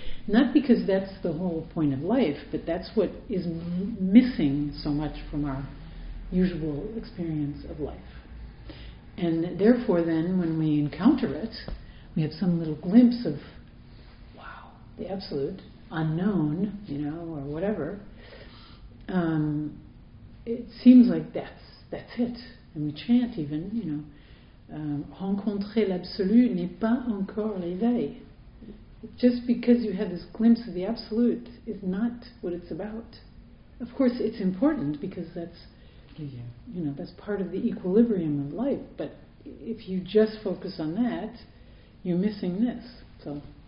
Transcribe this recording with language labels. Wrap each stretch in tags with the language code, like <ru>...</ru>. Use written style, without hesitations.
<en>Not because that's the whole point of life, but that's what is missing so much from our usual experience of life. And therefore, then, when we encounter it, we have some little glimpse of, wow, the absolute. Unknown, you know, or whatever, it seems like that's it. And we chant even, you know,</en> <fr>rencontrer l'absolu n'est pas encore l'éveil.</fr> <en>Just because you have this glimpse of the absolute is not what it's about. Of course, it's important because that's, you know, that's part of the equilibrium of life. But if you just focus on that, you're missing this. So...</en>